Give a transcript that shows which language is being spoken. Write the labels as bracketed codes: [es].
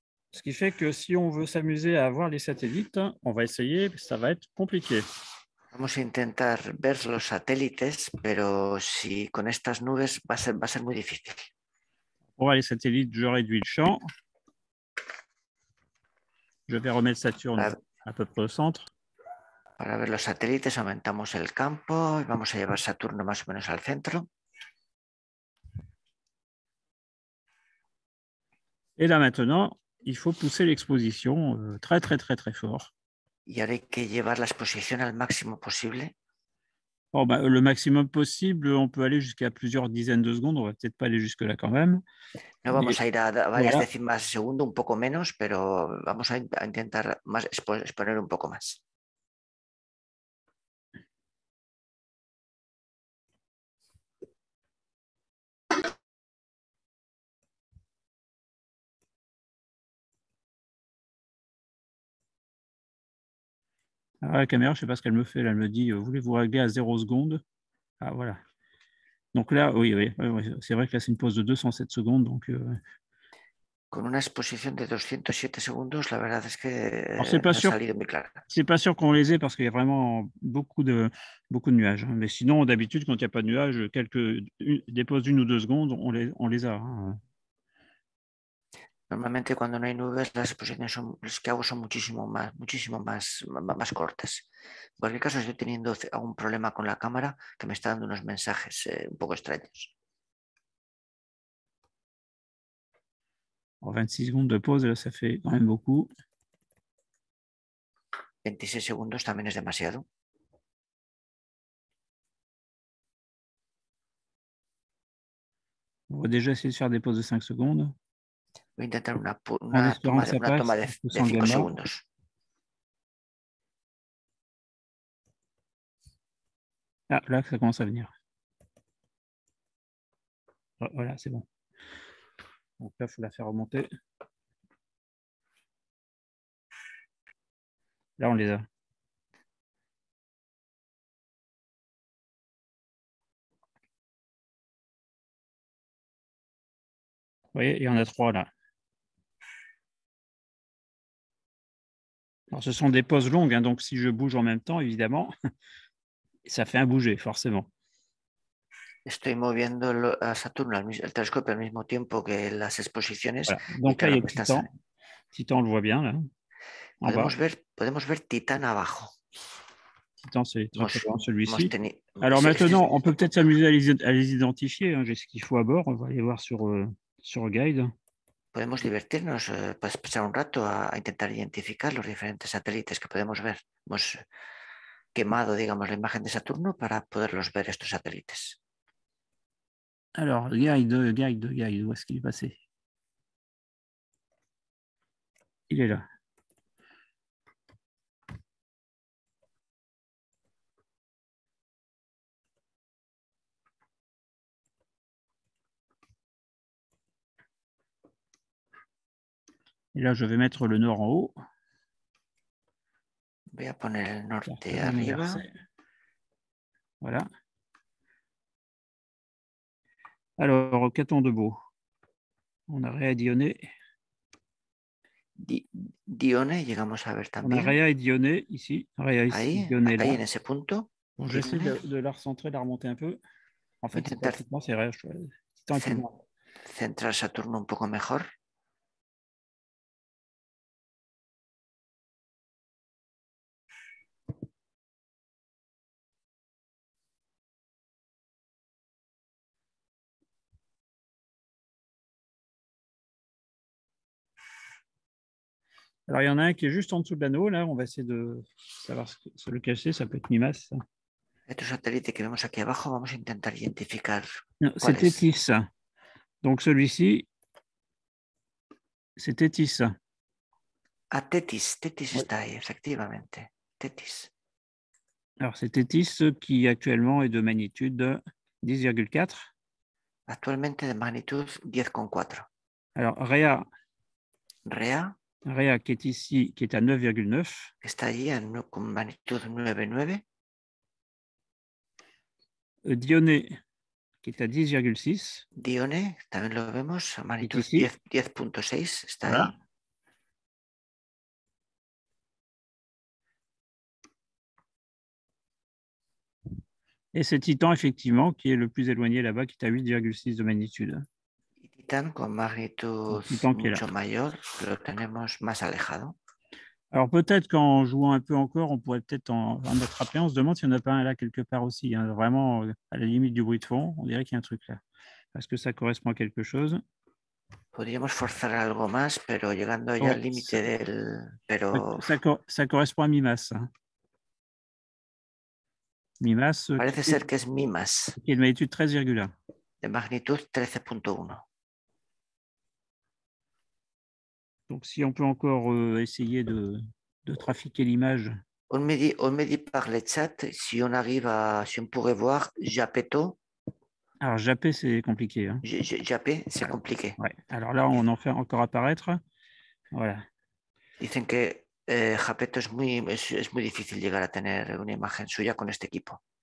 [fr] Ce qui fait que si on veut s'amuser à voir les satellites, on va essayer, ça va être compliqué. [es] Vamos a intentar ver los satélites, pero si con estas nubes va a ser muy difícil. [fr] Pour les satellites, je réduis le champ. Je vais remettre Saturne à peu près au centre. [es] Para ver los satélites, aumentamos el campo y vamos a llevar Saturno más o menos al centro. [fr] Et là maintenant, il faut pousser l'exposition très très très très fort. [es] Y ahora hay que llevar la exposición al máximo posible. [fr] Oh, bah, le maximum possible, on peut aller jusqu'à plusieurs dizaines de secondes, on ne va peut-être pas aller jusque-là quand même. [es] No vamos a ir a varias décimas de segundo, un poco menos, pero vamos a intentar más, exponer un poco más. [fr] Ah, la caméra, je ne sais pas ce qu'elle me fait. Là, elle me dit, voulez-vous régler à 0 seconde? Ah, voilà. Donc là, oui, c'est vrai que là, c'est une pause de 207 secondes. Donc, [es] Con una exposición de 207 segundos, la verdad es que [fr] alors, c'est pas sûr, [es] ha salido muy clara. [fr] C'est pas sûr qu'on les ait parce qu'il y a vraiment beaucoup de nuages. Hein. Mais sinon, d'habitude, quand il n'y a pas de nuages, des pauses d'une ou deux secondes, on les a. Hein. [es] Normalmente cuando no hay nubes las exposiciones que hago son muchísimo más cortas. En cualquier caso estoy teniendo algún problema con la cámara que me está dando unos mensajes un poco extraños. 26 segundos de pausa, [fr] ça fait quand même beaucoup. [es] 26 segundos también es demasiado. [fr] On va déjà essayer de faire des pauses de 5 secondes. [es] Voy a intentar una toma de 5 segundos. [fr] Ah, là, ça commence à venir. Voilà, c'est bon. Donc là, il faut la faire remonter. Là, on les a. Vous voyez, il y en a 3 là. Alors, ce sont des pauses longues, hein, donc si je bouge en même temps, évidemment, ça fait un bouger, forcément. [es] Estoy moviendo a Saturno, el telescopio al mismo tiempo que las exposiciones. [fr] Voilà. Donc là, il y a Titan. Titan, on le voit bien, là. [es] Podemos ver Titan abajo. [fr] Titan, c'est celui-ci. Alors maintenant, on peut peut-être s'amuser à les identifier. Hein. J'ai ce qu'il faut à bord. On va aller voir sur Guide. [es] Podemos divertirnos, pasar un rato a intentar identificar los diferentes satélites que podemos ver. Hemos quemado, digamos, la imagen de Saturno para poderlos ver estos satélites. [fr] Alors, guide, où est-ce qu'il est passé? Il est là. Et là, je vais mettre le nord en haut. [es] Voy a poner el norte arriba. [fr] Voilà. Alors, qu'a-t-on de beau? On a Rhea et Dione. [es] Dione, llegamos a ver también. [fr] On a Rhea et Dione, ici. Rhea ici, [es] ahí, Dione ahí [fr] là. [es] En ese punto. [fr] Bon, j'essaie de la recentrer, de la remonter un peu. En fait, c'est Rhea. Titan est [es] centrar Saturno un poco mejor. [fr] Alors, il y en a un qui est juste en dessous de l'anneau, là, on va essayer de savoir se le cacher, ça peut être Mimas. Ça. [es] Este satélite que vemos aquí abajo, vamos a intentar identificar. No, cuál [fr] c'est Tétis. Donc, celui-ci, c'est Tétis. Ah, Tétis, Tétis ouais. [es] Está ahí, [fr] effectivement. Tétis. Alors, c'est Tétis qui actuellement est de magnitude 10,4. Actuellement, de magnitude 10,4. Alors, Rhea. Rhea. Rhea qui est ici, qui est à 9,9. [es] Está ahí, en con magnitud 9,9. [fr] Dione, qui est à 10,6. [es] Dione, también lo vemos, a magnitud 10,6. Está voilà. Ahí. [fr] Et c'est Titan, effectivement, qui est le plus éloigné là-bas, qui est à 8,6 de magnitude. [es] Titan con magnitud mucho mayor, lo tenemos más alejado. [fr] Alors peut-être qu'en jouant un peu encore, on pourrait peut-être en attraper. On se demande s'il n'y en a pas un là quelque part aussi. Hein, vraiment à la limite du bruit de fond, on dirait qu'il y a un truc là. Est-ce que ça correspond à quelque chose? [es] Podríamos forzar algo más, pero llegando ya al límite del. Pero... [fr] Ça correspond à Mimas. Hein. Mimas. [es] Parece ser que es Mimas. [fr] Qui est de magnitude 13,1. [es] De magnitud 13,1. [fr] Donc, si on peut encore essayer de trafiquer l'image. On me dit par le chat, si on arrive à, si on pourrait voir Japeto. Alors, Japé, c'est compliqué. Hein. Japé, c'est voilà. Compliqué. Ouais. Alors là, on en fait encore apparaître. Voilà. [es] Dicen que Japeto es muy difícil llegar a tener una imagen suya con este equipo.